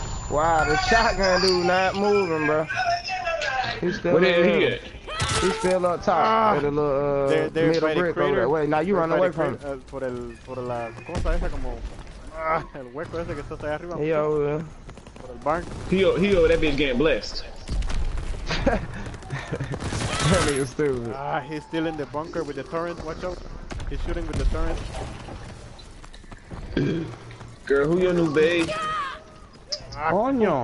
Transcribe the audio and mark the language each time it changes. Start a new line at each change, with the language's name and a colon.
English: Wow. Wow, the shotgun dude not moving, bro. He's still where the hell he at? He's still up top. Ah, with a little, middle brick crater. Over there. Wait, now you run away from him.
Spanish: Por el, por la cosa esa como, el hueco ese que está allá arriba.
English: He over there.
Spanish: Por el barn.
English: He over there being getting blessed. That nigga's stupid. Ah, he's still in the bunker with the turret. Watch out. He's shooting with the turret. Girl, who your new babe?
Spanish: Ah, coño.